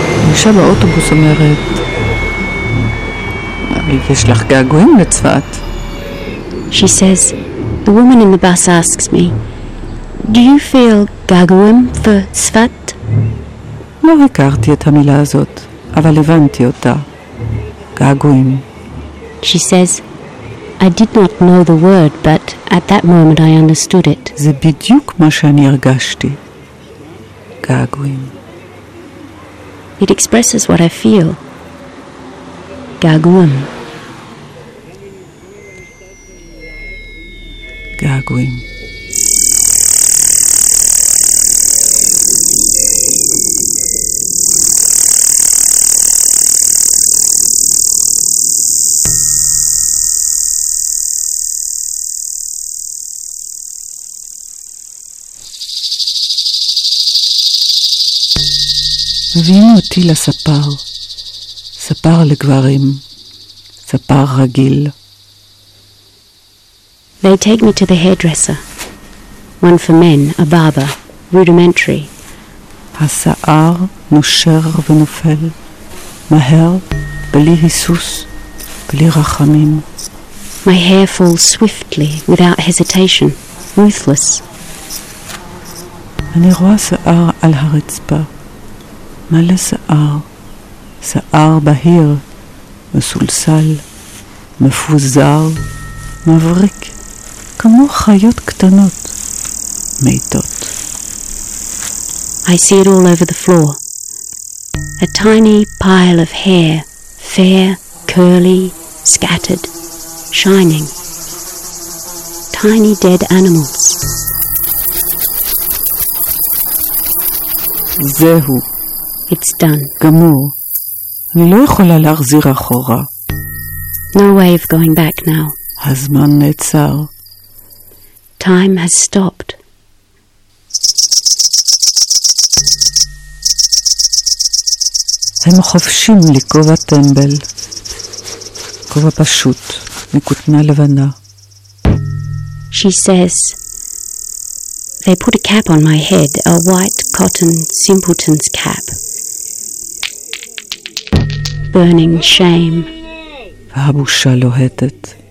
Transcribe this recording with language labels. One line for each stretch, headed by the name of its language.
Hebrew: אישה באוטובוס אומרת, יש לך געגועים לצפת?
English: She says, the woman in the bus asks me, do you feel געגועים for Tzfat?
Hebrew: לא הכרתי את המילה הזאת, אבל הבנתי אותה. געגועים.
English: She says, I did not know the word, but at that moment I understood it.
Hebrew: זה בדיוק מה שאני הרגשתי. געגועים.
English: It expresses what I feel.
Hebrew: געגועים. געגועים. מביאים אותי לספר, ספר לגברים, ספר רגיל.
English: They take me to the hairdresser, one for men, a barber, rudimentary.
Hebrew: השיער נושר ונופל, מהר, בלי היסוס, בלי רחמים.
English: My hair falls swiftly, without hesitation, ruthless.
Hebrew: אני רואה שיער על הרצפה. מלא שיער, שיער בהיר, מסולסל, מפוזר, מבריק, כמו חיות קטנות, מיטות.
English: I see it all over the floor. A tiny pile of hair, fair, curly, scattered, shining. Tiny dead animals.
Hebrew: זהו.
English: It's done.
Hebrew: גמור. אני לא יכולה להחזיר אחורה.
English: No way of going back now.
Hebrew: הזמן נעצר.
English: Time has stopped.
Hebrew: הם חופשים לכובע טמבל, כובע פשוט, מכותנה לבנה.
English: She says, they put a cap on my head, a white cotton simpleton's cap. Burning shame.
Hebrew: והבושה לוהטת.